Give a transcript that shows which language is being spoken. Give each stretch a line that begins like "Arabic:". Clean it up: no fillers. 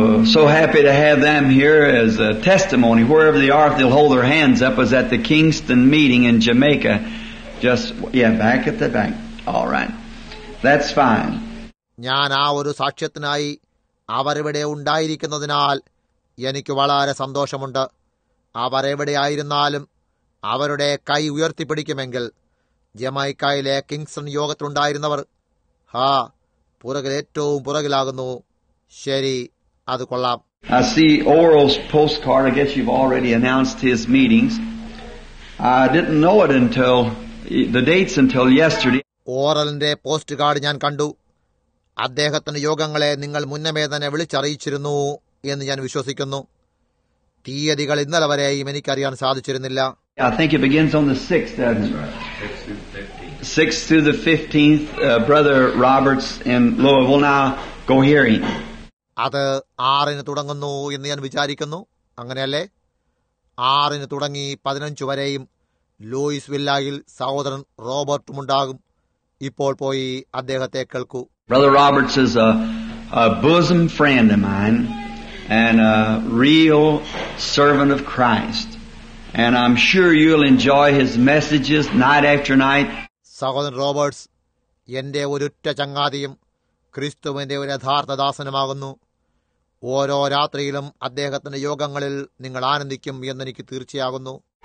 English: So happy to have them here as a testimony. Wherever they are, they'll hold their hands up. Was at the Kingston meeting in Jamaica. Back at the back. All right. That's fine.
Malayalam: ഞാൻ ആ ഒരു സാക്ഷ്യത്തിനായി അവരിവിടെ ഉണ്ടായിരിക്കുന്നതിനാൽ എനിക്ക് വളരെ സന്തോഷമുണ്ട്. അവരെവിടെയായിരുന്നാലും അവരുടെ കൈ ഉയർത്തിപ്പിടിക്കുമെങ്കിൽ ജമൈക്കയിലെ Kingson യോഗത്തിലുണ്ടായിരുന്നവർ ഹാ പുറകിൽ ഏറ്റവും പുറകിലാകുന്നു. ശരി, അത് കൊള്ളാം.
English: I see Oral's postcard. I guess you've already announced his meetings. I didn't know it until the dates until yesterday.
Malayalam: ഓറലിന്റെ post card ഞാൻ കണ്ടു. അദ്ദേഹത്തിന്റെ യോഗങ്ങളെ നിങ്ങൾ മുന്നമേ തന്നെ വിളിച്ചറിയിച്ചിരുന്നു എന്ന് ഞാൻ വിശ്വസിക്കുന്നു. തീയതികൾ ഇന്നലെ വരെയും എനിക്കറിയാൻ സാധിച്ചിരുന്നില്ല.
English: I think it begins on the 6th, doesn't it? 6th through the 15th, Brother Roberts in Louisville will now go hearing.
Malayalam: അത് ആറിന് തുടങ്ങുന്നു എന്ന് ഞാൻ വിചാരിക്കുന്നു, അങ്ങനെയല്ലേ? ആറിന് തുടങ്ങി 15 വരെയും ലൂയിസ്വില്ലായിൽ സഹോദരൻ റോബർട്ടും ഉണ്ടാകും. ഇപ്പോൾ പോയി അദ്ദേഹത്തെ കേൾക്കൂ.
English: Brother Roberts is a bosom friend of mine and a real servant of Christ. And I'm sure you'll enjoy his messages night after night.
Malayalam: സഹോദരൻ റോബർട്സ് എന്റെ ഒരൊറ്റ ചങ്ങാതിയും ക്രിസ്തുവിന്റെ ഒരു യഥാർത്ഥ ദാസനുമാകുന്നു. ഓരോ രാത്രിയിലും അദ്ദേഹത്തിന്റെ യോഗങ്ങളിൽ നിങ്ങൾ ആനന്ദിക്കും എന്നെനിക്ക് തീർച്ചയാകുന്നു.